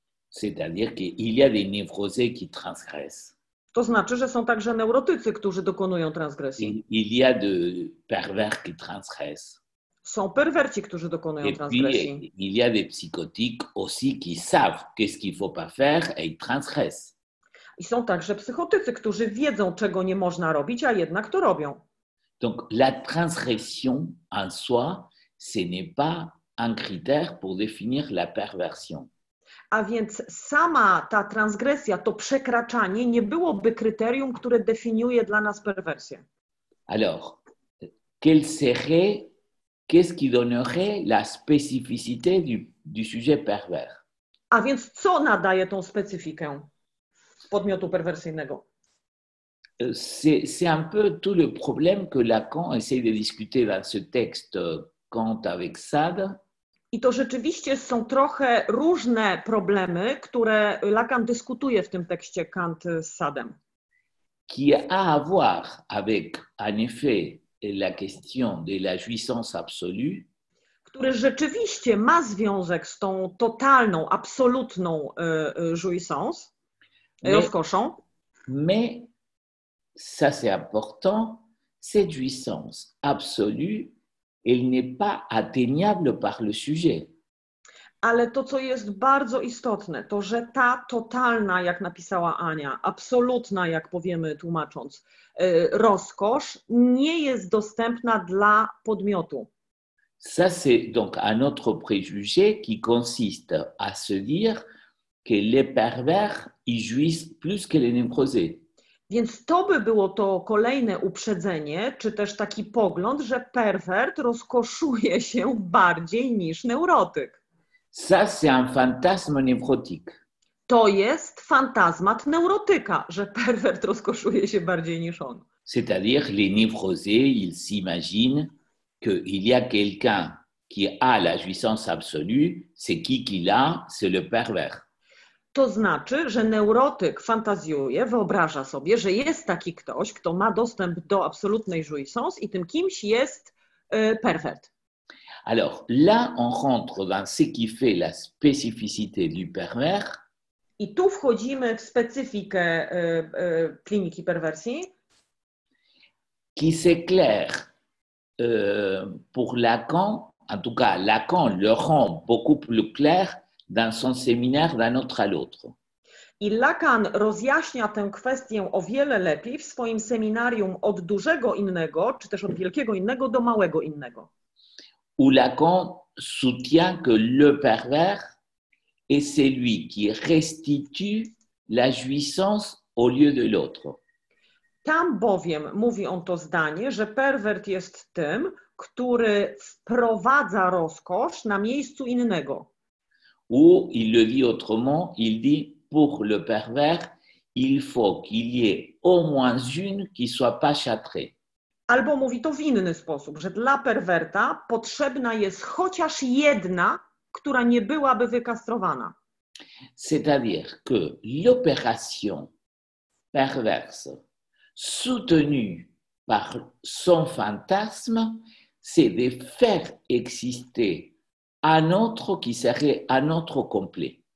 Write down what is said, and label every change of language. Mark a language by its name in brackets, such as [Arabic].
[French] C'est-à-dire qu'il y a des névrosés qui transgressent. [Polish] To znaczy, że są także neurotycy, którzy dokonują transgresji. [French] Il y a de pervers qui transgressent. [Polish] Są perwerci, którzy dokonują [French] et [Polish] transgresji. [French] Puis, il y a des psychotiques aussi qui savent qu'est-ce qu'il faut pas faire et ils transgressent. [Polish] I są także psychotycy, którzy wiedzą, czego nie można robić, a jednak to robią. [French] Donc la transgression en soi, ce n'est pas un critère pour définir la perversion. [Polish] A więc sama ta transgresja, to przekraczanie, nie byłoby kryterium, które definiuje dla nas perwersję. [French] Alors, qu'est-ce qui donnerait la spécificité du sujet pervers? [Polish] A więc co nadaje tą specyfikę podmiotu perwersyjnego? [French] C'est un peu tout le problème que Lacan essaie de discuter dans ce texte Kant avec Sade. [Polish] I to rzeczywiście są trochę różne problemy, które Lacan dyskutuje w tym tekście Kant z Sadem. [French] Qui a à voir avec, en effet, la question de la jouissance absolue. [Polish] Który rzeczywiście ma związek z tą totalną, absolutną jouissance, rozkoszą. [French] Mais ça c'est important, cette jouissance absolue, elle n'est pas atteignable par le sujet. [Polish] Ale to, co jest bardzo istotne, to, że ta totalna, jak napisała Ania, absolutna, jak powiemy tłumacząc, rozkosz, nie jest dostępna dla podmiotu. [French] Ça c'est donc un autre préjugé qui consiste à se dire que les pervers y jouissent plus que les névrosés. [Polish] Więc to by było to kolejne uprzedzenie, czy też taki pogląd, że pervert rozkoszuje się bardziej niż neurotyk. [French] Ça, c'est un fantasme névrotique. [Polish] To jest fantazmat neurotyka, że pervert rozkoszuje się bardziej niż on. [French] C'est-à-dire les névrosés, ils s'imaginent qu'il y a quelqu'un qui a la jouissance absolue, c'est qui l'a, c'est le pervers. [Polish] To znaczy, że neurotyk fantazjuje, wyobraża sobie, że jest taki ktoś, kto ma dostęp do absolutnej jouissance i tym kimś jest pervert. [French] Alors, là on rentre dans ce qui fait la spécificité du pervers. [Polish] I tu wchodzimy w specyfikę kliniki perwersji. [French] Qui s'éclaire pour Lacan, en tout cas Lacan le rend beaucoup plus clair dans son séminaire d'un autre à l'autre. [Polish] I Lacan rozjaśnia tę kwestię o wiele lepiej w swoim seminarium od dużego innego, czy też od wielkiego innego do małego innego. [French] Où Lacan soutient que le pervers est celui qui restitue la jouissance au lieu de l'autre. [Polish] Tam bowiem mówi on to zdanie, że pervert jest tym, który wprowadza rozkosz na miejscu innego. [French] Ou il le dit autrement, il dit pour le pervers, il faut qu'il y ait au moins une qui soit pas châtrée. [Polish] Albo mówi to w inny sposób, że dla perwerta potrzebna jest chociaż jedna, która nie byłaby wykastrowana. [French] C'est-à-dire que l'opération perverse soutenue par son fantasme, c'est de faire exister un autre qui serait un autre complet.